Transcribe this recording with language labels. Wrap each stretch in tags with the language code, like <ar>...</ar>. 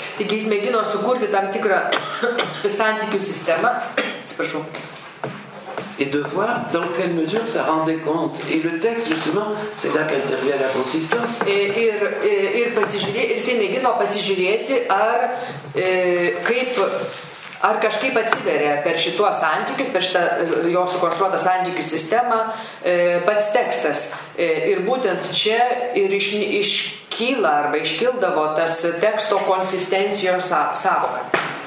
<lt>Taigi, jis mėgino sukurti tam tikrą santykių sistemą. Atsiprašau.</lt> <fr>Et de voir dans quelle mesure ça rendait compte. Et le texte, justement, c'est là qu'intervient la consistance.</fr> <lt>Ir jisai mėgino pasižiūrėti, ar kažkaip atsiveria per šituos santykius, per šitą jo sukonstruotą santykių sistemą, pats tekstas. Ir būtent čia ir iškyla arba iškildavo tas teksto konsistencijos sąvoka.</lt>